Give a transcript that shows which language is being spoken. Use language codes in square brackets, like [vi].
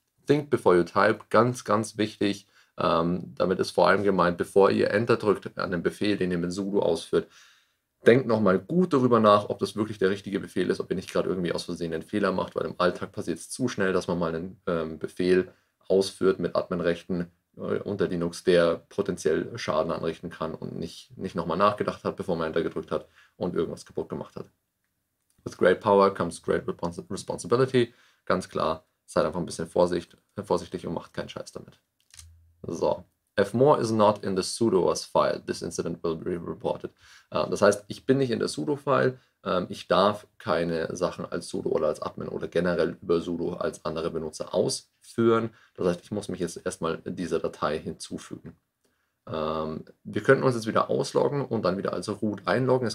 [en] Think before you type, [de] ganz, ganz wichtig. Damit ist vor allem gemeint, bevor ihr Enter drückt an den Befehl, den ihr mit sudo ausführt, denkt nochmal gut darüber nach, ob das wirklich der richtige Befehl ist, ob ihr nicht gerade irgendwie aus Versehen einen Fehler macht, weil im Alltag passiert es zu schnell, dass man mal einen Befehl ausführt mit Adminrechten, unter Linux, der potenziell Schaden anrichten kann und nicht nochmal nachgedacht hat, bevor man Enter gedrückt hat und irgendwas kaputt gemacht hat. [en] With great power comes great responsibility. [de] Ganz klar, seid einfach ein bisschen vorsichtig und macht keinen Scheiß damit. So. [en] If more is not in the sudoers file, this incident will be reported. [de] Das heißt, ich bin nicht in der sudo-File. Ich darf keine Sachen als sudo oder als admin oder generell über sudo als andere Benutzer ausführen. Das heißt, ich muss mich jetzt erstmal dieser Datei hinzufügen. Wir könnten uns jetzt wieder ausloggen und dann wieder als root einloggen.